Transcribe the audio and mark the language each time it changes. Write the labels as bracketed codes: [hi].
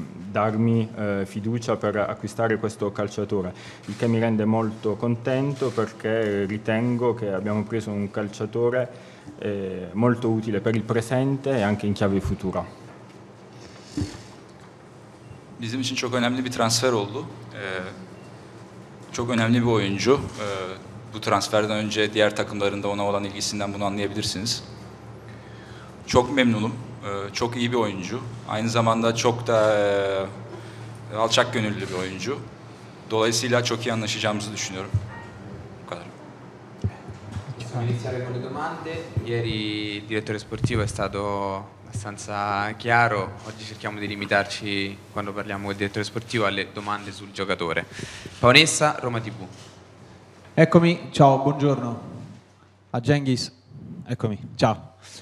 [it] darmi fiducia per acquistare questo calciatore, il che mi rende molto contento perché ritengo che abbiamo preso un calciatore molto utile per il presente e anche in chiave futura. [tr] Bizim için çok önemli bir transfer oldu. Çok önemli bir oyuncu. Bu transferden önce diğer takımlarında ona olan ilgisinden bunu anlayabilirsiniz. Çok memnunum. Çok iyi bir oyuncu. Aynı zamanda çok da alçak gönüllü bir oyuncu. Dolayısıyla çok iyi anlaşacağımızı düşünüyorum. Bu kadar. [it] Iniziare con le domande. Ieri il direttore sportivo è stato abbastanza chiaro. Oggi cerchiamo di limitarci, quando parliamo con il direttore sportivo, alle domande sul giocatore. Paonessa, Roma TV. Eccomi, ciao, buongiorno. A Cengiz. Eccomi, ciao.